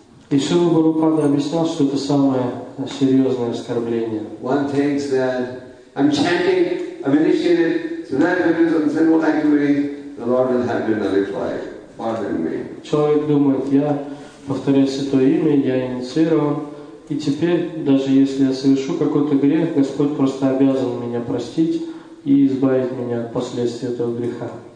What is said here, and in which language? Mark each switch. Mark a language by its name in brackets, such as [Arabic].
[Russian] И Шрила Прабхупада объяснял, что это самое серьезное оскорбление. [English] One thinks that I'm chanting, I'm initiated, so that if I do some sinful activity, the Lord will have to nullify, pardon me. [Russian] Человек думает, я повторяю святое имя, я инициирован, И теперь, даже если я совершу какой-то грех, Господь просто обязан меня простить и избавить меня от последствий этого греха.